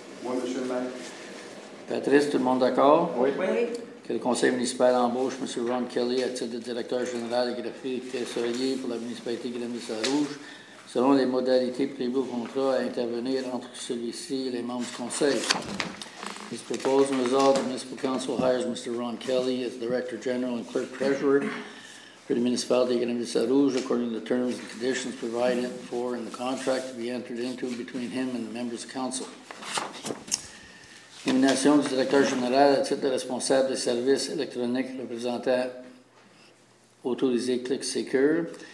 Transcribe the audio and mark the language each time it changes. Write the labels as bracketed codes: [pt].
[fr] Moi, M. le maire. Patrice, tout le monde d'accord? Oui. Que le conseil municipal embauche M. Ron Kelly à titre de directeur général greffier trésorier pour la municipalité Grenville-Saint-Rouge, selon les modalités prévues au contrat à intervenir entre celui-ci et les membres du conseil. [en] This proposed result, the Municipal Council hires Mr. Ron Kelly as Director General and Clerk Treasurer for the Municipality of Grenville-Saint-Rouge according to the terms and conditions provided for in the contract to be entered into between him and the members of council. [fr] Nomination du directeur général à titre de responsable des services électroniques représentant autorisé Click Secure.